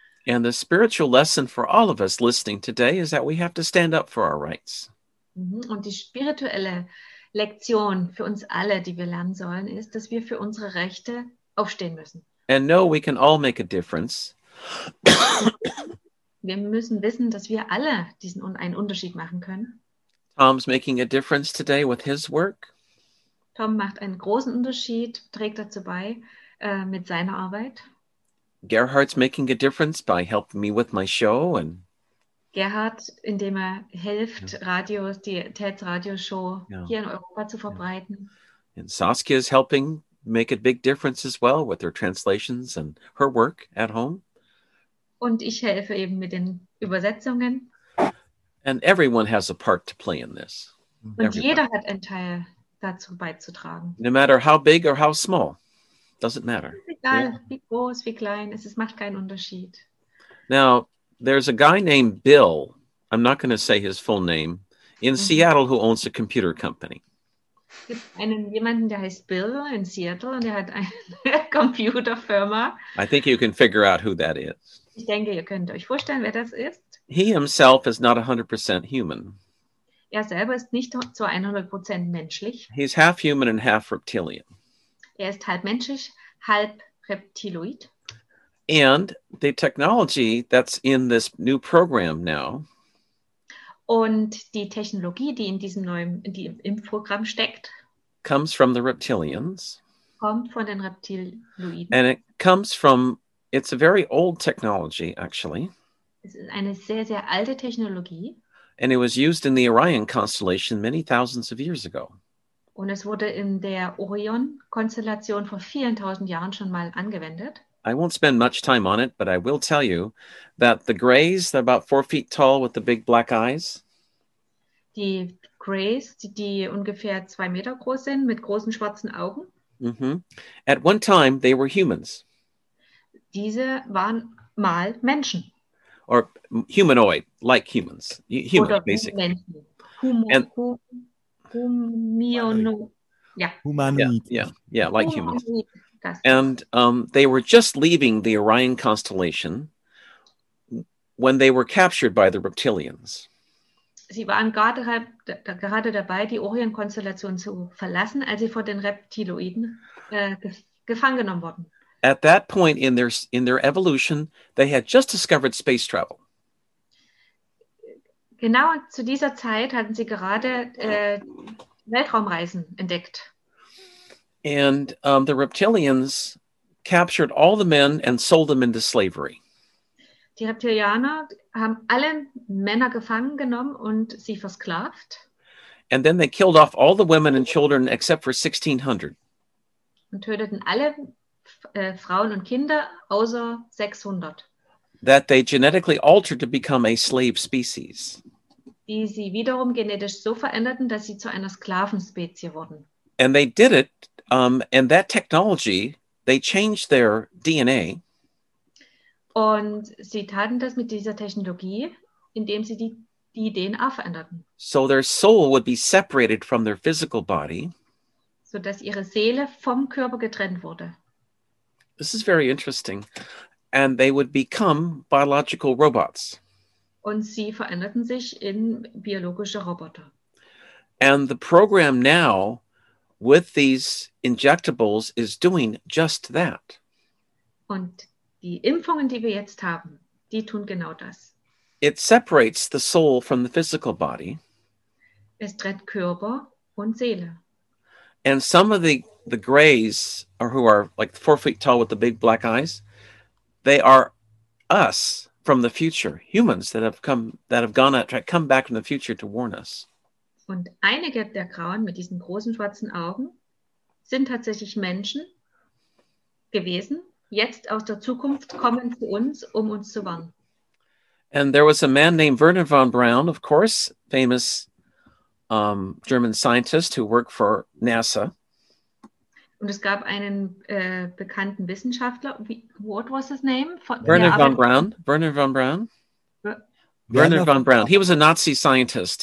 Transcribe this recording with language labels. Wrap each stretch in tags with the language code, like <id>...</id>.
<en>And the spiritual lesson for all of us listening today is that we have to stand up for our rights.</en> <de>Und die spirituelle Lektion für uns alle, die wir lernen sollen, ist, dass wir für unsere Rechte aufstehen müssen.</de> <en>And know we can all make a difference.</en> <de>Wir müssen wissen, dass wir alle diesen einen Unterschied machen können.</de> <en>Tom's making a difference today with his work.</en> <de>Tom macht einen großen Unterschied, trägt dazu bei mit seiner Arbeit.</de> <en>Gerhard's making a difference by helping me with my show and</en> <de>Gerhard, indem er hilft, Radios, die TED Radio Show hier in Europa zu verbreiten.</de> <en>And Saskia is helping make a big difference as well with her translations and her work at home.</en> <de>Und ich helfe eben mit den Übersetzungen.</de> <en>And everyone has a part to play in this.</en> <de>Und jeder hat einen Teil dazu beizutragen.</de> <en>No matter how big or how small, doesn't matter.</en> <de>Es ist egal, wie groß, wie klein, es macht keinen Unterschied.</de> <en>Now, there's a guy named Bill, I'm not going to say his full name, in Seattle who owns a computer company.</en> <de>Es gibt jemanden, der heißt Bill in Seattle und der hat eine Computerfirma.</de> <en>I think you can figure out who that is.</en> <de>Ich denke, ihr könnt euch vorstellen, wer das ist.</de> <en>He himself is not 100% human.</en> <de>Er selber ist nicht zu 100% menschlich.</de> <en>He's half human and half reptilian.</en> <de>Er ist halb menschlich, halb reptiloid.</de> <en>And the technology that's in this new program now.</en> <de>Und die Technologie, die in diesem im Programm steckt,</de> <en>comes from the reptilians.</en> <de>Kommt von den Reptiloiden.</de> <en>And it comes from, it's a very old technology, actually.</en> <de>Es ist eine sehr, sehr alte Technologie.</de> <en>And it was used in the Orion constellation many thousands of years ago.</en> <de>Und es wurde in der Orion-Konstellation vor vielen tausend Jahren schon mal angewendet.</de> <en>I won't spend much time on it, but I will tell you that the grays, they're about 4 feet tall with the big black eyes.</en> <de>Die grays, die ungefähr 2 Meter groß sind, mit großen schwarzen Augen.</de> <en>Mm-hmm. At one time, they were humans.</en> <de>Diese waren mal Menschen.</de> <en>Or humanoid, like humans. Human, oder basically.</en> <de>Humanoid.</de> <en>Humans. And they were just leaving the Orion constellation when they were captured by the reptilians.</en> <de>Sie waren gerade dabei, die Orion-Konstellation zu verlassen, als sie von den Reptiloiden gefangen genommen wurden.</de> <en>At that point in their evolution, they had just discovered space travel.</en> <de>Genau zu dieser Zeit hatten sie gerade Weltraumreisen entdeckt.</de> <en>And the reptilians captured all the men and sold them into slavery.</en> <de>Die Reptilianer haben alle Männer gefangen genommen und sie versklavt.</de> <en>And then they killed off all the women and children except for 1600.</en> <de>Und töteten alle Frauen und Kinder außer 600.</de> <en>That they genetically altered to become a slave species.</en> <de>Die sie wiederum genetisch so veränderten, dass sie zu einer Sklavenspezies wurden.</de> <en>And they did it. And that technology, they changed their DNA.</en> <de>Und sie taten das mit dieser Technologie, indem sie die DNA veränderten.</de> <en>So their soul would be separated from their physical body.</en> <de>So dass ihre Seele vom Körper getrennt wurde.</de> <en>This is very interesting. And they would become biological robots.</en> <de>Und sie veränderten sich in biologische Roboter.</de> <en>And the program now with these injectables is doing just that.</en> <de>Und die Impfungen, die wir jetzt haben, die tun genau das.</de> <en>It separates the soul from the physical body.</en> <de>Es trennt Körper und Seele.</de> <en>And some of the grays, or who are like 4 feet tall with the big black eyes, they are us from the future, humans that have come back from the future to warn us.</en> <de>Und einige der Grauen mit diesen großen schwarzen Augen sind tatsächlich Menschen gewesen, jetzt aus der Zukunft kommen zu uns, um uns zu warnen.</de> <en>And there was a man named Wernher von Braun, of course, famous German scientist who worked for NASA.</en> <de>Und es gab einen bekannten Wissenschaftler,</de> <en>what was his name? Wernher von Braun. He was a Nazi scientist.</en>